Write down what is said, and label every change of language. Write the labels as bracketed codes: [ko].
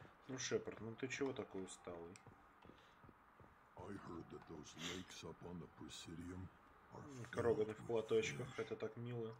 [ru] Ну, Шепард, ну ты чего такой усталый? [en] I heard that those lakes up on the Presidium are filled with fish. [ru] Кроганы в платочках, это так мило.